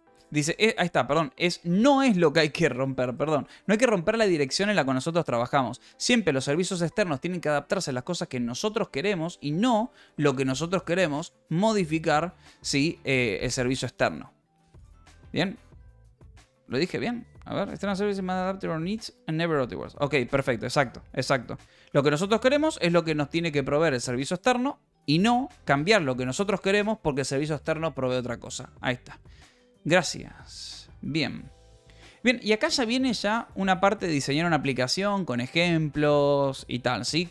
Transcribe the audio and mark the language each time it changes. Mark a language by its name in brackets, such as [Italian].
[Spanish] Dice, ahí está, perdón. No es lo que hay que romper, perdón. No hay que romper la dirección en la que nosotros trabajamos. Siempre los servicios externos tienen que adaptarse a las cosas que nosotros queremos y no lo que nosotros queremos modificar, ¿sí? El servicio externo. ¿Bien? ¿Lo dije bien? [English] A ver, external services must adapt to our needs and never otherwise. [Spanish] Ok, perfecto, exacto, exacto. Lo que nosotros queremos es lo que nos tiene que proveer el servicio externo y no cambiar lo que nosotros queremos porque el servicio externo provee otra cosa. Ahí está. Gracias. Bien. Bien, y acá ya viene ya una parte de diseñar una aplicación con ejemplos y tal, ¿sí?